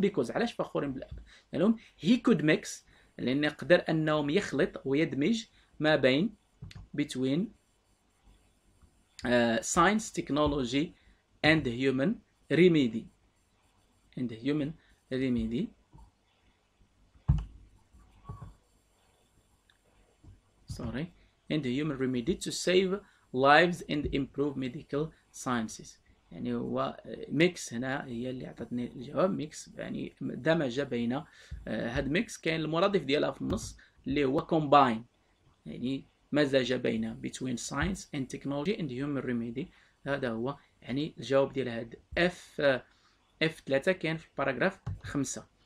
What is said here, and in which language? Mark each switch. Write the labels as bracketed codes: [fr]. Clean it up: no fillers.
[en] because [ar] علاش فخورين بالاب ديالهم؟ هي كود ميكس، لان يقدر انهم يخلط ويدمج ما بين [en] between science technology and human remedy [ar] اند هيومن ريميدي. [en] Sorry, and the human remedy to save lives and improve medical sciences. [ar] يعني هو ميكس هنا هي اللي عطتني الجواب. ميكس يعني دمج بين هاد ميكس كاين المرادف ديالها في النص اللي هو كومباين، يعني مزج بين [en] between science and technology and human remedy. [ar] هذا هو يعني الجواب ديال هاد اف 3 كاين في الباراجراف 5.